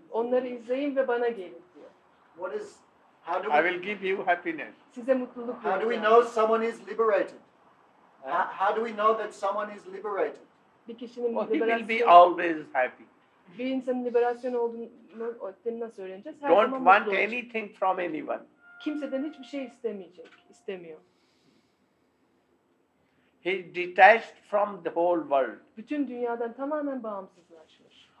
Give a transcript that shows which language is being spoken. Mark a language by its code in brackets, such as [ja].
[tr] Onları izleyin ve bana gelin diyor. [en] What is? How do I will give you happiness. [tr] Size mutluluk. [en] How do we know someone is liberated? How do we know that someone is liberated? [tr] Bir kişinin liberasyon. [en] He will be always happy. [tr] Bir insanın liberasyon olduğunu nasıl öğreneceğiz? [en] Her don't want anything from anyone. [tr] Kimseden hiçbir şey istemeyecek, istemiyor. [en] He detached from the whole world. [tr] Bütün dünyadan tamamen bağımsızlaşmış.